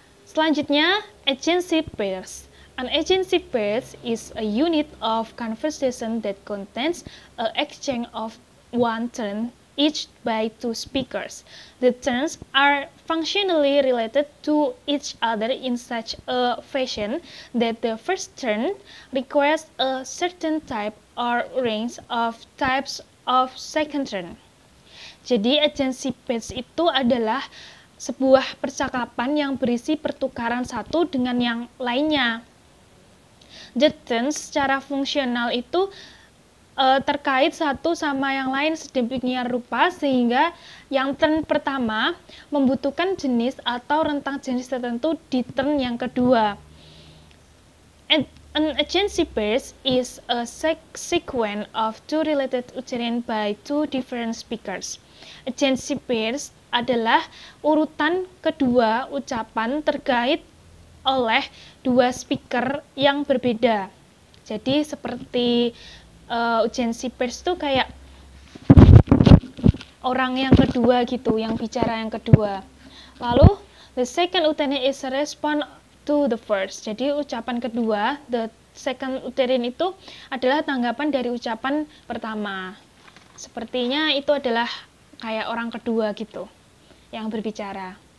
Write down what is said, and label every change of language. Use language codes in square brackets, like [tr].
[en] Selanjutnya, agency pairs. An agency pair is a unit of conversation that contains an exchange of one turn each by two speakers. The turns are functionally related to each other in such a fashion that the first turn requires a certain type or range of types of second turn. [id] Jadi, agency pair itu adalah sebuah percakapan yang berisi pertukaran satu dengan yang lainnya. [en] The turns [id] secara fungsional itu terkait satu sama yang lain sedemikian rupa sehingga yang turn pertama membutuhkan jenis atau rentang jenis tertentu di turn yang kedua. [en] An agency pair is a sequence of two related utterance by two different speakers. [id] Agency pair adalah urutan kedua ucapan terkait oleh dua speaker yang berbeda. Jadi seperti agency pairs itu kayak orang yang kedua gitu, yang bicara yang kedua. [en] Lalu the second utterance is a response to the first. [id] Jadi ucapan kedua, [en] the second utterance [id] itu adalah tanggapan dari ucapan pertama. Sepertinya itu adalah kayak orang kedua gitu yang berbicara.